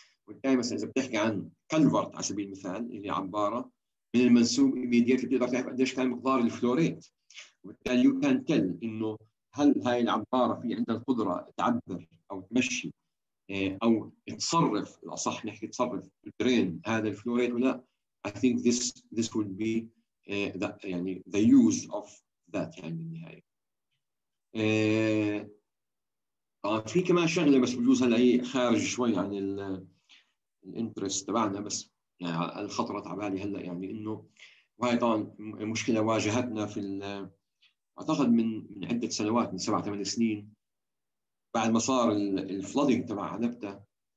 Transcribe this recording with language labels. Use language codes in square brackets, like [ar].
[ar] وبالتالي مثلا اذا بتحكي عن كلفرت على سبيل المثال اللي عباره من المنسوب ايميديتلي بتقدر تعرف قديش كان مقدار الفلوريت، وبالتالي يو كان تيل انه هل هاي العباره في عندها القدره تعبر او تمشي او تصرف الاصح نحكي تصرف الدرين هذا الفلوريت ولا. [en] I think this would be the يعني the use of that يعني بالنهايه. [ar] في كمان شغله بس بجوز هلا هي خارج شوي عن الانترست تبعنا، بس يعني الخطره تعبالي هلا يعني انه وهي طبعا مشكله واجهتنا في اعتقد من عده سنوات من 7-8 سنين بعد ما صار الفلودينج تبع عنبتة.